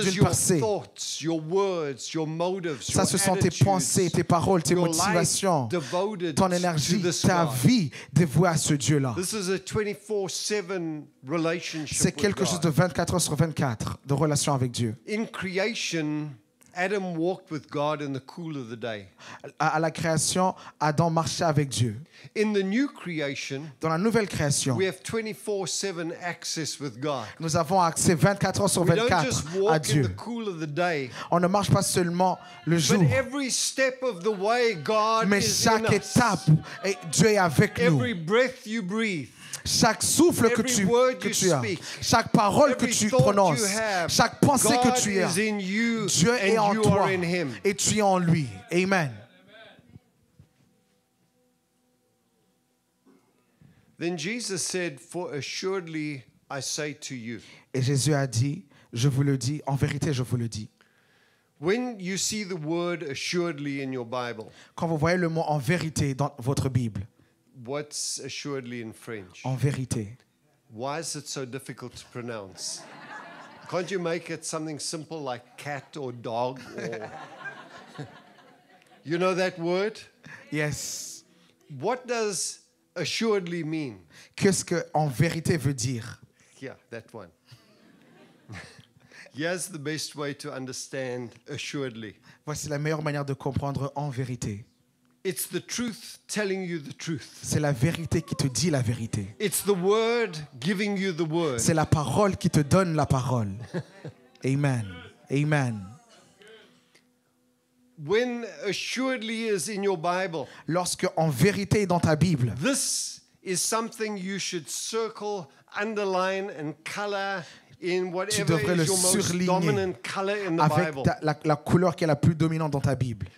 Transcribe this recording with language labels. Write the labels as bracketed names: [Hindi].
[English] This is your thoughts, your words, your motives, your attitudes. [French] Ça, ce sont tes pensées, tes paroles, tes motivations, ton énergie, ta vie dévouée à ce Dieu-là. [English] This is a 24/7 relationship. [French] C'est quelque chose de 24 heures sur 24 de relation avec Dieu. [English] In creation, Adam walked with God in the cool of the day. [French] À la création, Adam marchait avec Dieu. [English] In the new creation, [French] dans la nouvelle création, [English] we have 24/7 access with God. [French] Nous avons accès 24 heures sur 24 à Dieu. [English] In the cool of the day, [French] on ne marche pas seulement le jour. [English] But every step of the way, God [French] mais chaque [English] is [French] étape, [English] in [French] Dieu est avec [English] every [French] nous. [English] Every breath you breathe. [French] Chaque souffle que tu as, chaque parole que tu prononces, chaque pensée que tu as, Dieu est en toi et tu es en lui. [English] Amen. Then Jesus said, "For assuredly I say to you." [French] Et Jésus a dit, je vous le dis, en vérité je vous le dis. [English] When you see the word assuredly in your Bible. [French] Quand vous voyez le mot en vérité dans votre Bible. [English] What's assuredly in French? [French] En vérité. [English] Why is it so difficult to pronounce? Can't you make it something simple like cat or dog? You know that word? Yes. What does assuredly mean? [French] Qu'est-ce que en vérité veut dire? [English] Yeah, that one. Here's the best way to understand assuredly. [French] Voici la meilleure manière de comprendre en vérité. [English] It's the truth telling you the truth. [French] C'est la vérité qui te dit la vérité. [English] It's the word giving you the word. [French] C'est la parole qui te donne la parole. [English] Amen. Amen. When assuredly is in your Bible. [French] Lorsque en vérité est dans ta Bible. [English] This is something you should circle, underline and color. In whatever [French] tu devrais [English] is [French] le [English] your most dominant color in the [French] avec [English] Bible. [French] La couleur qui est la plus dominante dans ta Bible.